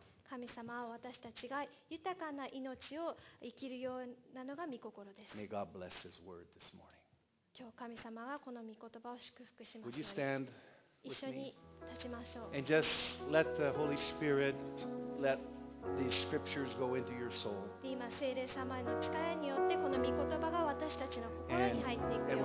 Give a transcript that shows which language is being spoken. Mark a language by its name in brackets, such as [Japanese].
[Japanese] 神様は私たちが豊かな命を生きるようなのが御心です。 [English] May God bless His word this morning. [Japanese] 今日神様がこの御言葉を祝福しますように [English] 。 Would you stand with me? [Japanese] 一緒に立ちましょう。 [English] And just let the Holy Spirit let these scriptures go into your soul. [Japanese] 今聖霊様の力によってこの御言葉が私たちの心に入っていくように。